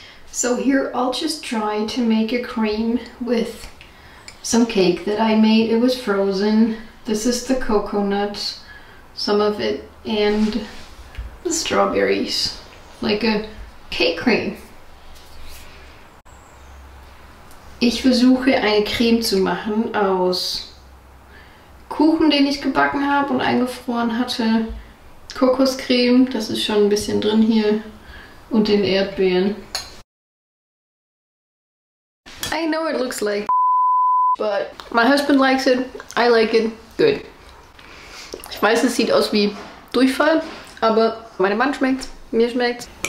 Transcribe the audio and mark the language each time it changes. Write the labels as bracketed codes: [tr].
[en] So here I'll just try to make a cream with some cake that I made. It was frozen. This is the coconut, some of it, and the strawberries, like a cake cream. [de] Ich versuche eine Creme zu machen aus Kuchen, den ich gebacken habe und eingefroren hatte, Kokoscreme, das ist schon ein bisschen drin hier, und den Erdbeeren. [en] I know it looks like, but my husband likes it. I like it. Good. [de] Ich weiß, es sieht aus wie Durchfall, aber meinem Mann schmeckt's. Mir schmeckt's.